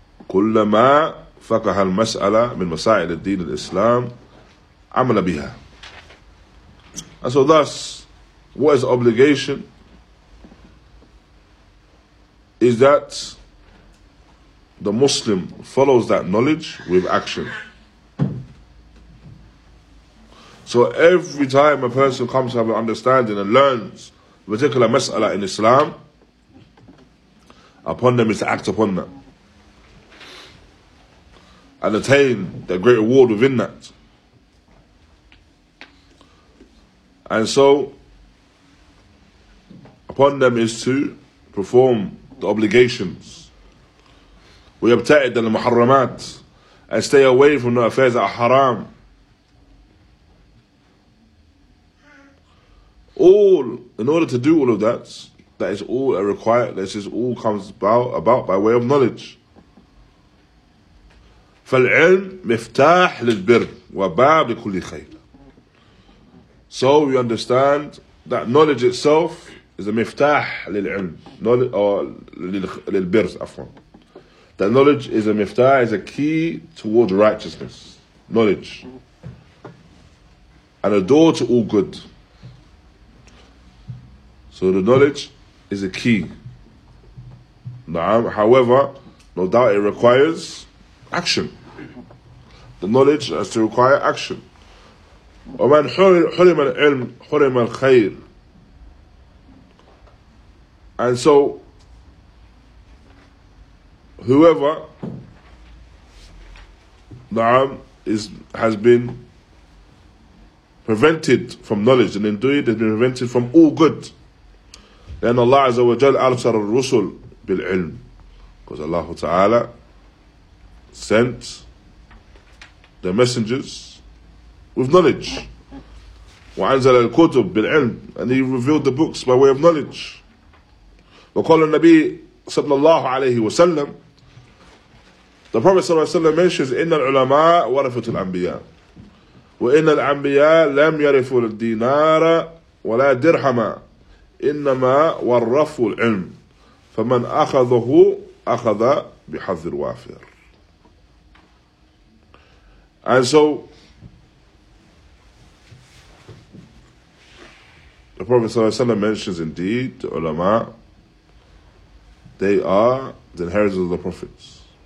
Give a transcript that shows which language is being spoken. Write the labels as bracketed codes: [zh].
[ar] كلما فقه المسألة من مسائل الدين الإسلام عمل بها. [en] And so thus, what is obligation is that the Muslim follows that knowledge with action. So every time a person comes to have an understanding and learns a particular mas'ala in Islam, upon them is to act upon that and attain the great reward within that. And so, upon them is to perform the obligations. [ar] ويبتعد عن المحرمات, [en] and stay away from the affairs that are haram. All, in order to do all of that, that is all a required, this is all comes about by way of knowledge. [ar] فالعلم مفتاح للبر وباب لكل خير. [en] So we understand that knowledge itself is a [ar] مفتاح للعلم, للبر, أفهم. [en] That knowledge is a miftah, is a key towards righteousness, knowledge, and a door to all good. So the knowledge is a key. However, no doubt it requires action. The knowledge has to require action. [ar] وَمَنْ حُرِمَ الْعِلْمِ حُرِمَ الْخَيْرِ. [en] And so, whoever has been prevented from knowledge, and indeed has been prevented from all good. [ar] لأن الله عز وجل أرسل الرسل بالعلم. [en] Because Allah Ta'ala sent the messengers with knowledge. [ar] وأنزل الكتب بالعلم. [en] And he revealed the books by way of knowledge. [ar] وقال النبي صلى الله عليه وسلم, [en] the Prophet [ar] صلى الله عليه وسلم [en] mentions, [ar] إن العلماء ورثة الأنبياء. وإن الأنبياء لم يرثوا الدينار ولا درهما. إنما ورثوا العلم فمن أخذه أخذ بحظ الوافر. [en] And so the Prophet [ar] صلى الله عليه وسلم [en] mentions indeed the ulama, they are the inheritors of the prophets.